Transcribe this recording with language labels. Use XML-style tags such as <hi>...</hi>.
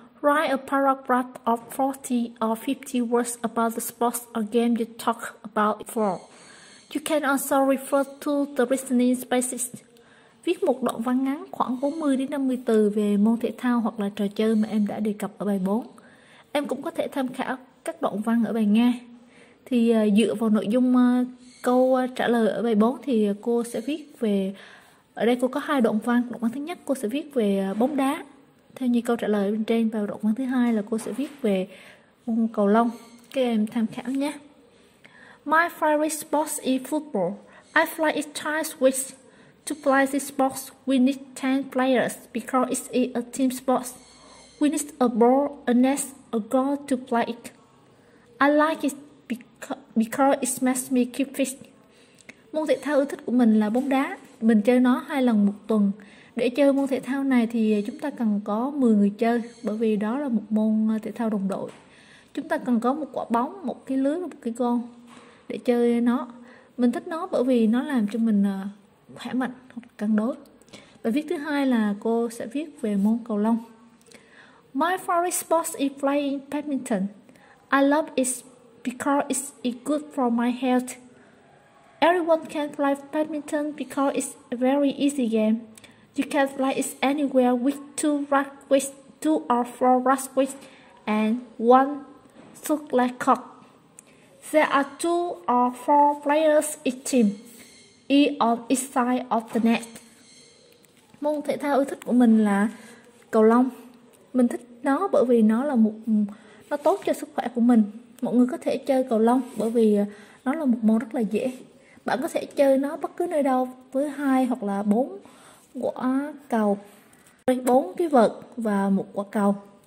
<en>Write a paragraph of 40 or 50 words about the sports or game you talk about for. You can also refer to the reasoning spaces.</en> <vi>Viết một đoạn văn ngắn khoảng 40 đến 50 từ về môn thể thao hoặc là trò chơi mà em đã đề cập ở bài 4. Em cũng có thể tham khảo các đoạn văn ở bài nghe. Thì dựa vào nội dung câu trả lời ở bài 4 thì cô sẽ viết về, ở đây cô có hai đoạn văn. Đoạn văn thứ nhất cô sẽ viết về bóng đá theo như câu trả lời bên trên, và đoạn văn thứ hai là cô sẽ viết về môn cầu lông. Các em tham khảo nhé.</vi> <en>My favorite sport is football. I play it twice a week. To play this sport, we need 10 players because it is a team sport. We need a ball, a net, a goal to play it. I like it because it makes me keep fit.</en> <vi>Môn thể thao ưa thích của mình là bóng đá. Mình chơi nó 2 lần một tuần. Để chơi môn thể thao này thì chúng ta cần có 10 người chơi, bởi vì đó là một môn thể thao đồng đội. Chúng ta cần có một quả bóng, một cái lưới, một cái gôn để chơi nó. Mình thích nó bởi vì nó làm cho mình khỏe mạnh, cân đối. Bài viết thứ hai là cô sẽ viết về môn cầu lông.</vi> <en>My favorite sport is playing badminton. I love it because it's good for my health. Everyone can play badminton because it's a very easy game. You can play it anywhere with 2 rackets, 2 or 4 rackets, and 1 racket. There are 2 or 4 players each team, each on each side of the net.</en> <vi>Môn thể thao ưa thích của mình là cầu lông. Mình thích nó bởi vì nó tốt cho sức khỏe của mình. Mọi người có thể chơi cầu lông bởi vì nó là một môn rất là dễ. Bạn có thể chơi nó bất cứ nơi đâu với 2 hoặc là 4 quả cầu, 4 cái vợt và 1 quả cầu.</vi>